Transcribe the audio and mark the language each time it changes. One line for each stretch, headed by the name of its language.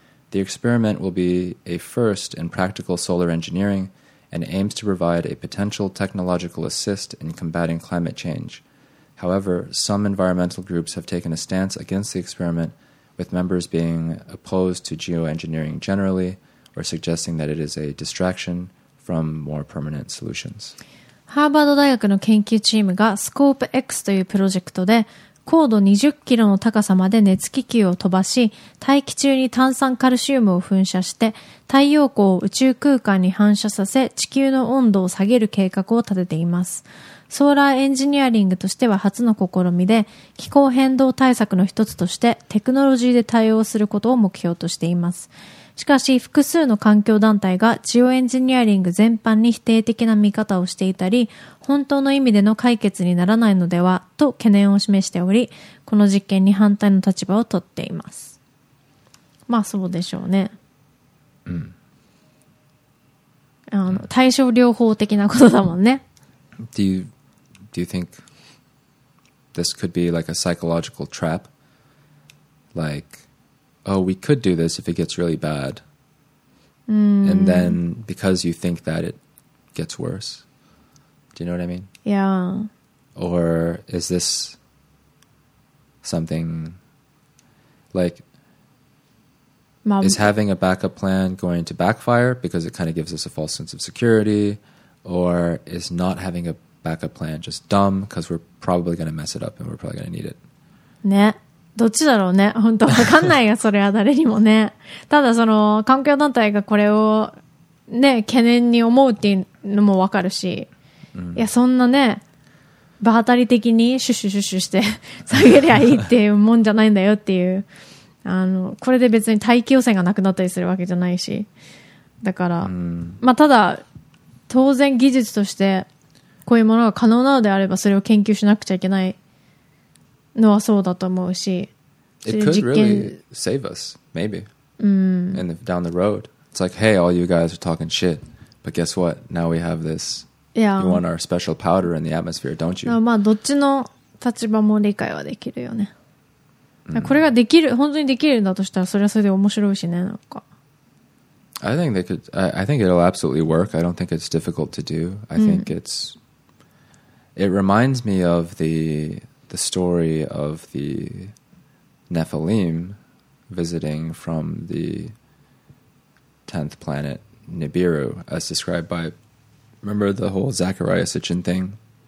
English: The experiment will be a first in practical solar engineering and aims to provide a potential technological assist in combating climate change. However, some environmental groups have taken a stance against the experiment, with members being opposed to geoengineering generally or suggesting that it is a distraction from more permanent solutions.
Japanese: ハーバード大学の研究チームがスコープ X というプロジェクトで高度20キロの高さまで熱気球を飛ばし、大気中に炭酸カルシウムを噴射して太陽光を宇宙空間に反射させ地球の温度を下げる計画を立てています。ソーラーエンジニアリングとしては初の試みで、気候変動対策の一つとしてテクノロジーで対応することを目標としています。しかし複数の環境団体がジオエンジニアリング全般に否定的な見方をしていたり、本当の意味での解決にならないのではと懸念を示しており、この実験に反対の立場を取っています。まあそうでしょうね。うん、対症療法的なことだもんね。
English: Do you think this could be like a psychological trap? Like, oh, we could do this if it gets really bad. And then because you think that, it gets worse. Do you know what I mean? Yeah. Or is this something like, is having a backup plan going to backfire because it kind of gives us a false sense of security? Or is not having a backup plan just dumb because we're probably going to mess it up and we're probably going to need it.
Japanese: ね、どっちだろうね。本当わかんないよ。それは誰にもね。ただその環境団体がこれをね懸念に思うっていうのもわかるし、いやそんなね場当たり的にシュシュシュシュして下げりゃいいっていうもんじゃないんだよっていう、これで別に大気汚染がなくなったりするわけじゃないし、だから、まあただ当然技術としてこういうものが可能なのであれば、それを研究しなくちゃいけないのはそうだと思うし、
English: It could really save us, maybe. And down the road, it's like, hey, all you guys are talking shit, but guess what? Now we have this. Yeah. You want our special powder in the atmosphere, don't you?
Japanese: まあどっちの立場も理解はできるよね。これができる、本当にできるんだとしたら、それはそれで面白いしね、なんか。
English: I think it'll absolutely work. I don't think it's difficult to do. I think it's It reminds me of the story of the Nephilim visiting from the 10th planet Nibiru, as described by, remember the whole Zachariah Sitchin thing?